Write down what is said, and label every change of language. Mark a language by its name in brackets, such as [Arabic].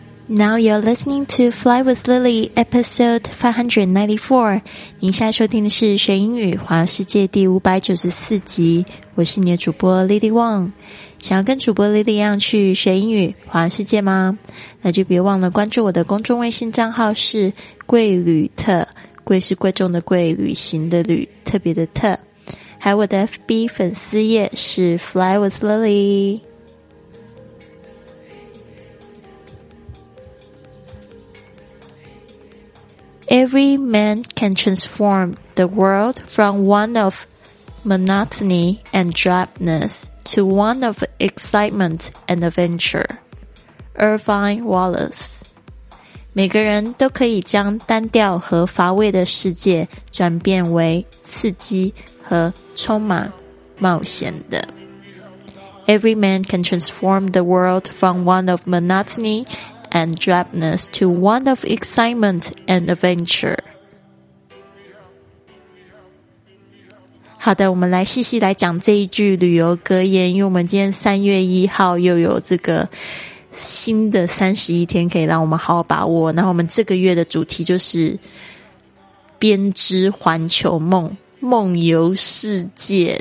[English] Now you're listening to Fly with Lily, episode 594. [Chinese] 您现在收听的是学英语环游世界第594集。我是你的主播 Lily Wong。想要跟主播 Lily 一样去学英语环游世界吗？那就别忘了关注我的公众微信账号是贵旅特。贵是贵重的贵，旅行的旅，特别的特。还有我的 FB 粉丝页是 Fly with Lily。 [English] Every man can transform the world from one of monotony and drabness to one of excitement and adventure. Irvine Wallace. [Chinese] 每个人都可以将单调和乏味的世界转变为刺激和充满冒险的。 [English] Every man can transform the world from one of monotony and drabness to one of excitement and adventure. [Chinese] 好的，我们来细细来讲这一句旅游格言，因为我们今天3月1号又有这个新的31天可以让我们好好把握，然后我们这个月的主题就是编织环球梦，梦游世界。